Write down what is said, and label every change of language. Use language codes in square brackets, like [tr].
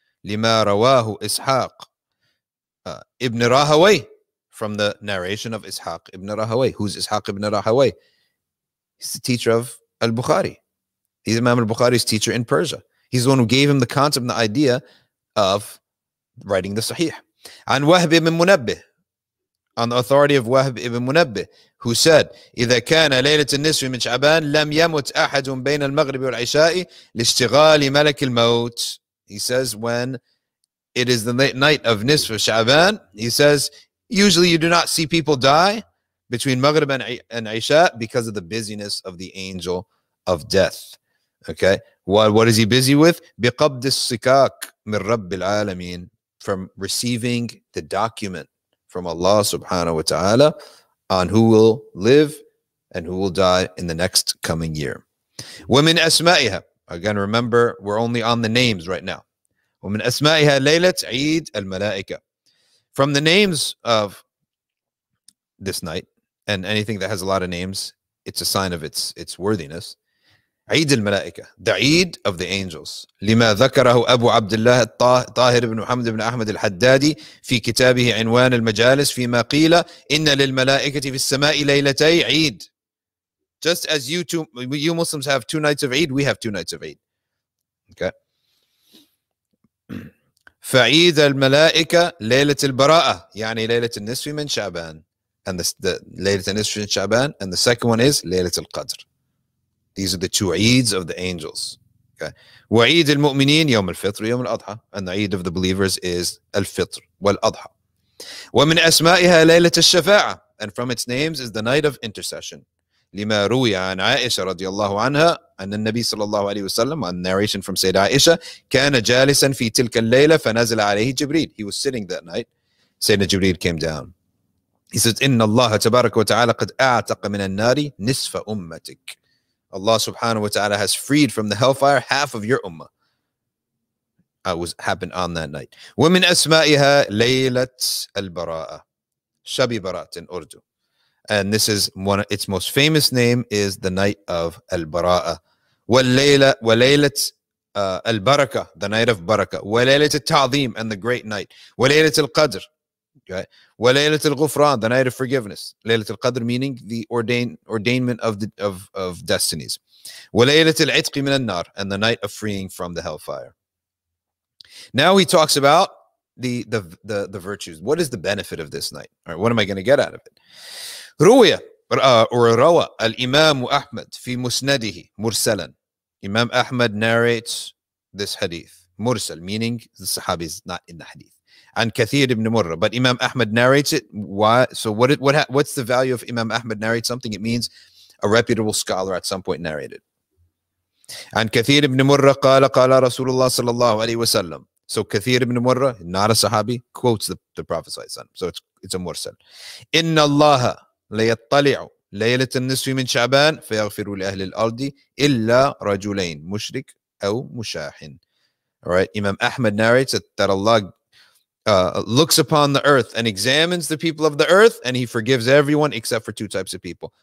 [ar] Lima rawahu [en] Ishaq ibn Rahaway, from the narration of Ishaq ibn Rahaway. Who's Ishaq ibn Rahaway? He's the teacher of al-Bukhari. He's Imam al-Bukhari's teacher in Persia. He's the one who gave him the concept and the idea of writing the Sahih. [ar] An Wahb ibn Munabbih, [en] on the authority of Wahb ibn Munabbih, who said, [ar] إِذَا كَانَ لَيْلَةِ النِّسْوِ مِنْ شَعْبَانِ لَمْ يَمُتْ أَحَدٌ بَيْنَ الْمَغْرِبِ وَالْعِشَاءِ لِاشْتِغَالِ مَلَكِ الْمَوْتِ. [en] He says, when it is the night of Nisf of Sha'ban, he says, usually you do not see people die between Maghrib and Isha because of the busyness of the angel of death. Okay. What is he busy with? [ar] بقبض السكاك من رب العالمين, [en] from receiving the document from Allah subhanahu wa ta'ala on who will live and who will die in the next coming year. [ar] ومن أسمائها, [en] again, remember, we're only on the names right now. [ar] ومن أسمائها ليلة عيد الملائكة, [en] from the names of this night, and anything that has a lot of names, it's a sign of its worthiness. [ar] عيد الملائكة, [en] the عيد of the angels. [ar] لما ذكره أبو عبد الله طاهر بن محمد بن أحمد الحدادي في كتابه عنوان المجالس فيما قيل إن للملائكة في السماء ليلتي عيد. [en] Just as you Muslims have two nights of Eid, we have two nights of Eid. Okay. [ar] فعيد الملائكة ليلة البراءة, يعني ليلة النصف من شعبان, and the ليلة النصف من شعبان, [en] and the second one is [ar] ليلة القدر. [en] These are the two Eids of the angels. Okay. [ar] وعيد المؤمنين يوم الفطر يوم الأضحى, [en] and the Eid of the believers is [ar] الفطر والأضحى. ومن أسمائها ليلة الشفاعة, [en] and from its names is the night of intercession. [ar] لما روي عن عائشة رضي الله عنها أن النبي صلى الله عليه وسلم, [en] on narration from [ar] سيدة عائشة, كان جالسا في تلك الليلة فنزل عليه جبريل. [en] He was sitting that night. سيدنا جبريل came down. He says, [ar] إن الله تبارك وتعالى قد أعتق من النار نصف أمتك. [en] Allah subhanahu wa ta'ala has freed from the hellfire half of your ummah. Happened on that night. [ar] ومن أسمائها ليلة البراءة, [ur] شبي برات [en] in Urdu. And this is one of its most famous name is the night of al-Bara'a. [ar] Walaylat al-Baraka, [en] the night of Baraka. [ar] Walaylat al-Ta'zim, [en] and the great night. [ar] Walaylat al-Qadr. Walaylat al-Ghufran, [en] the night of forgiveness. Laylat al-Qadr, meaning the ordainment of destinies. [ar] Walaylat al-Itqi min al-Nar, [en] and the night of freeing from the hellfire. Now he talks about the virtues. What is the benefit of this night? All right, what am I going to get out of it? [ar] رويا or روى الإمام أحمد في مسنده مرسلا. [en] Imam Ahmad narrates this hadith. مرسل, meaning the Sahabi is not in the hadith. [ar] عن كثير بن مرة, [en] but Imam Ahmad narrates it. Why? So what's the value of Imam Ahmad narrates something? It means a reputable scholar at some point narrated. [ar] عن كثير بن مرة قال رسول الله صلى الله عليه وسلم. [en] So كثير بن مرة, not a Sahabi, quotes the Prophet صلى الله عليه وسلم. So it's a مرسل. [ar] إن الله لَيَطَّلِعُ لَيْلَةَ النِّسْفِ مِنْ شَعْبَانِ فَيَغْفِرُ لِأَهْلِ الْأَرْضِ إِلَّا رَجُلَيْنِ مُشْرِكْ أَوْ مُشَاحِنْ. [en] All right, Imam Ahmad narrates that Allah looks upon the earth and examines the people of the earth, and he forgives everyone except for two types of people.